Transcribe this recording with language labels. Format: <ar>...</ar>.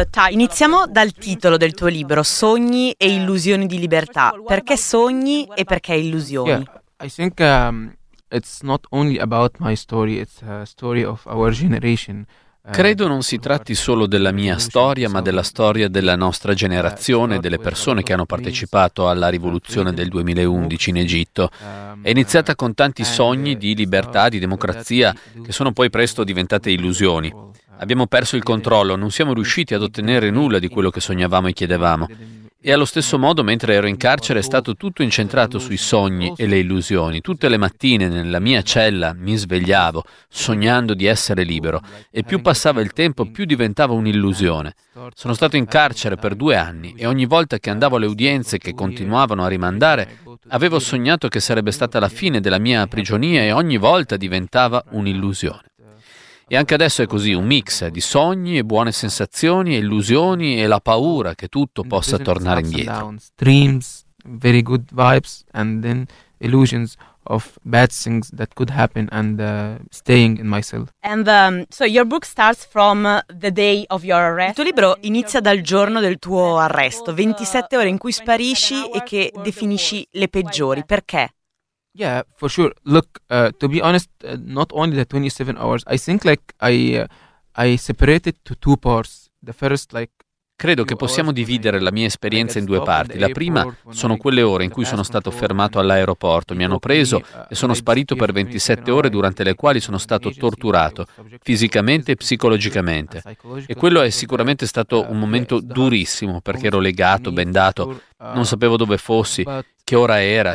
<it>Iniziamo dal titolo del tuo libro, Sogni e illusioni di libertà. Perché sogni e perché illusioni?</it> <en>Yeah, I think it's not only about my story, it's a story of our generation.</en> <it>Credo non si tratti solo della mia storia, ma della storia della nostra generazione, delle persone che hanno partecipato alla rivoluzione del 2011 in Egitto. È iniziata con tanti sogni di libertà, di democrazia, che sono poi presto diventate illusioni. Abbiamo perso il controllo, non siamo riusciti ad ottenere nulla di quello che sognavamo e chiedevamo. E allo stesso modo, mentre ero in carcere, è stato tutto incentrato sui sogni e le illusioni. Tutte le mattine nella mia cella mi svegliavo, sognando di essere libero. E più passava il tempo, più diventava un'illusione. Sono stato in carcere per 2 anni e ogni volta che andavo alle udienze che continuavano a rimandare, avevo sognato che sarebbe stata la fine della mia prigionia e ogni volta diventava un'illusione. E anche adesso è così, un mix di sogni e buone sensazioni, illusioni e la paura che tutto possa tornare indietro.</it> <en>Dreams, very good vibes and then illusions of bad things that could happen and staying in myself. And so your book starts from the day of your arrest.</en> <it>Il tuo libro inizia dal giorno del tuo arresto, 27 ore in cui sparisci e che definisci le peggiori. Perché?</it> <en>Yeah, for sure. Look, to be honest, not only the 27 hours. I think like I separated to two parts. The first like</en> <it>credo che possiamo dividere la mia esperienza in due parti. La prima sono quelle ore in cui sono stato fermato all'aeroporto. Mi hanno preso e sono sparito per 27 ore durante le quali sono stato torturato, fisicamente e psicologicamente. E quello è sicuramente stato un momento durissimo perché ero legato, bendato, non sapevo dove fossi, che ora era.</it>